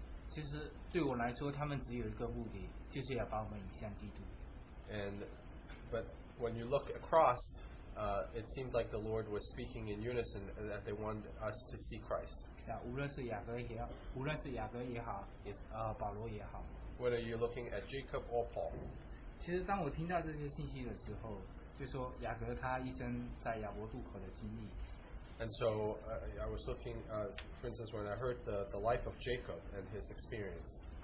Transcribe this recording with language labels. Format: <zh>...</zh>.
<zh>其实对我来说，他们只有一个目的，就是要把我们引向基督。</zh> <en>But when you look across, it seemed like the Lord was speaking in unison that they wanted us to see Christ.</en> <zh>无论是雅各也好，保罗也好。</zh> <en>Whether you're looking at Jacob or Paul.</en> <zh>其实当我听到这些信息的时候，就说雅各他一生在亚伯渡口的经历。</zh> <en>And so I was looking, for instance, when I heard the life of Jacob and his experience.</en>